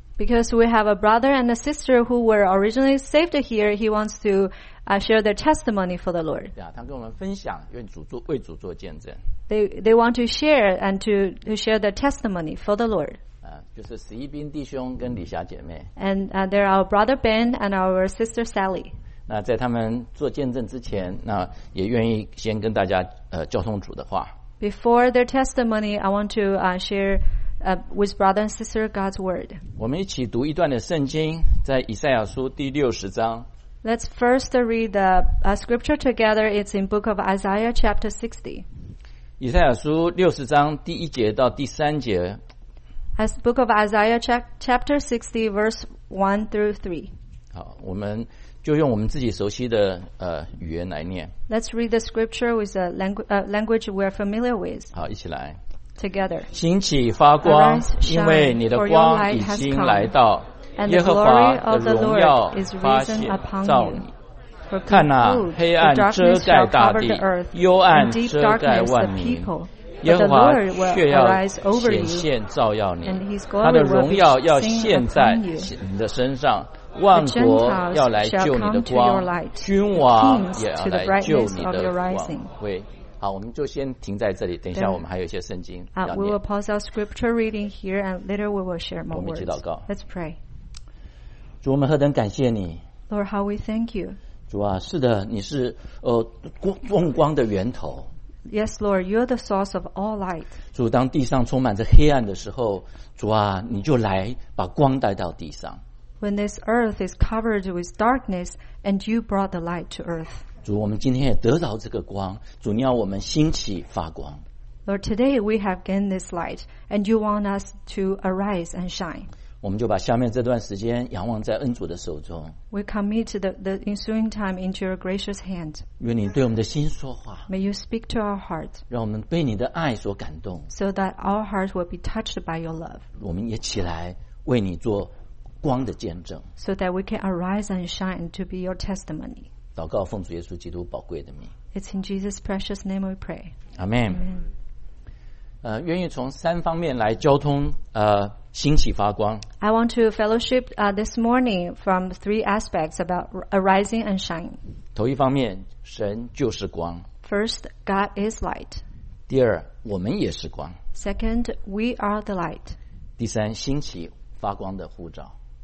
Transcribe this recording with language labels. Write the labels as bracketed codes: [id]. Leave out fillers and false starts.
[en] Because we have a brother and a sister who were originally saved here, he wants to share their testimony for the Lord. [zh] Yeah, 他跟我们分享, 愿主做见证。 [en] They want to share and to share their testimony for the Lord. [zh] 就是十一兵弟兄跟李霞姐妹。 [en] And they're our brother Ben and our sister Sally. [zh] 那在他们做见证之前, 那也愿意先跟大家, 交通主的话。 [en] Before their testimony, I want to share with brother and sister God's word. [zh] 我们一起读一段的圣经, 在以赛亚书第60章。 [en] Let's first read the scripture together. It's in book of Isaiah chapter 60. [zh] 以赛亚书60章第1节到第3节。 [en] As book of Isaiah chapter 60 verse 1 through 3. [zh] 好，我们就用我们自己熟悉的 语言来念。 [en] Let's read the scripture with the language we are familiar with. [zh] 好，一起来。 [en] Together. [zh] 兴起发光, [en] Arise, shine, [zh] 因为你的光已经来到, [en] and the glory of the Lord is risen upon you. For darkness shall cover the earth, and deep darkness the people. But the Lord will arise over you, and his glory will sing upon you. The Gentiles shall come to your light, the kings to the brightness of your rising. [zh] 好，我们就先停在这里。等一下我们还有一些圣经， [en] We will pause our scripture reading here, and later we will share more words. Let's pray. [zh] 主，我们何等感谢你。 [en] Lord, how we thank you. [zh] 主啊，是的，你是 众光的源头。 [en] Yes, Lord, you are the source of all light. [zh] 主，当地上充满着黑暗的时候， 主啊，你就来把光带到地上。 [en] When this earth is covered with darkness, and you brought the light to earth. [zh] 主，我们今天也得到这个光，主，你要我们兴起发光。 [en] Lord, today we have gained this light, and you want us to arise and shine. [zh] 我们就把下面这段时间仰望在恩主的手中。 [en] We commit the ensuing time into your gracious hand. [zh] 愿你对我们的心说话。 [en] May you speak to our heart. [zh] 让我们被你的爱所感动。 [en] So that our heart will be touched by your love. [zh] 我们也起来为你做光的见证。 [en] So that we can arise and shine to be your testimony. [zh] 祷告奉主耶稣基督宝贵的名。 [en] It's in Jesus' precious name we pray. Amen. Amen. [zh] 愿意从三方面来交通, 兴起发光。 [en] I want to fellowship this morning from three aspects about arising and shine. [zh] 头一方面, 神就是光。 [en] First, God is light. [zh] 第二, 我们也是光。 [en] Second, we are the light. [zh] 第三, 兴起发光的护照。